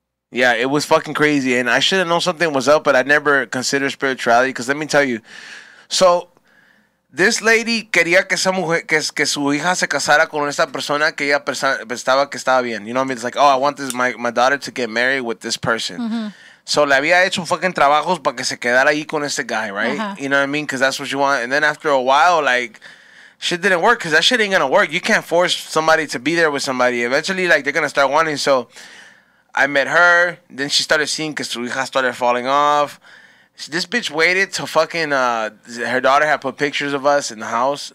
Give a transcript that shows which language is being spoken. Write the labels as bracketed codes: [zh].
[en] Yeah, it was fucking crazy, and I should have known something was up, but I never considered spirituality. Because let me tell you, so this lady [es] quería que esa mujer que su hija se casara con esa persona que ella pensaba que estaba bien. [en] You know what I mean? It's like, oh, I want this my daughter to get married with this person. Mm-hmm. [es] So, le había hecho fucking trabajos para que se quedara ahí con este [en] guy, right? Uh-huh. You know what I mean? Because that's what you want. And then after a while, like, shit didn't work because that shit ain't going to work. You can't force somebody to be there with somebody. Eventually, like, they're going to start wanting. So, I met her. Then she started seeing [es] que su hija [en] started falling off. This bitch waited till fucking her daughter had put pictures of us in the house.